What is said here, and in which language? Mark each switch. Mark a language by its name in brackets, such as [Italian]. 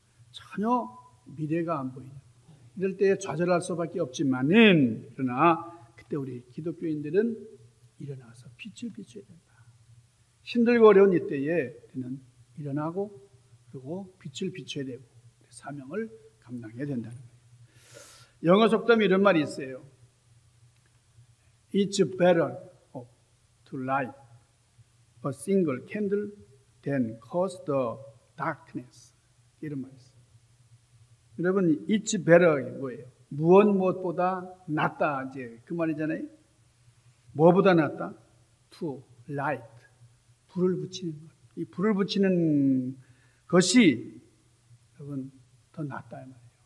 [Korean] 전혀 미래가 안 보이냐. 이럴 때 좌절할 수밖에 없지만은 그러나 그때 우리 기독교인들은 일어나서 빛을 비춰야 된다. 힘들고 어려운 이때에 그는 일어나고 그리고 빛을 비춰야 되고 사명을 감당해야 된다는 거예요. 영어 속담 이런 말이 있어요. [English] It's better to light a single candle than cause the darkness. [Korean] 이런 말이 있어요. 여러분, [English] it's better [Korean] 뭐예요? 무엇보다 낫다. 이제 그 말이잖아요. 뭐보다 낫다? [English] To light. [Korean] 불을 붙이는 것. 이 불을 붙이는 것이 여러분 더 낫다 이 말이에요.